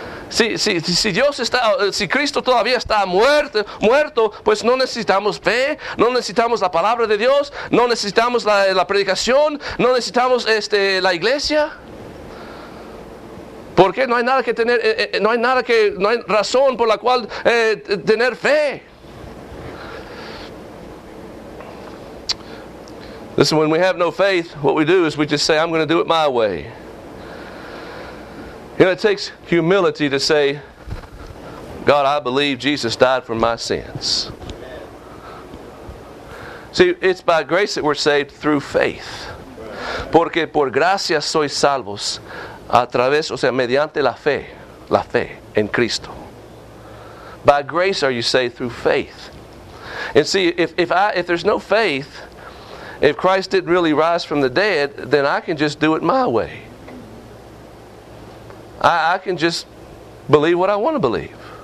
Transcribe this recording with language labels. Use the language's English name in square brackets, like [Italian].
[Spanish] Si Cristo todavía está muerto, pues no necesitamos fe, no necesitamos la palabra de Dios, no necesitamos la predicación, no necesitamos la iglesia. ¿Por qué? No hay razón por la cual tener fe. [English] Listen, when we have no faith, what we do is we just say, I'm going to do it my way. You know, it takes humility to say, God, I believe Jesus died for my sins. Amen. See, it's by grace that we're saved through faith. [Spanish] Porque por gracia sois salvos a través, o sea, mediante la fe en Cristo. [English] By grace are you saved through faith. And see, if there's no faith, if Christ didn't really rise from the dead, then I can just do it my way. I can just believe what I want to believe.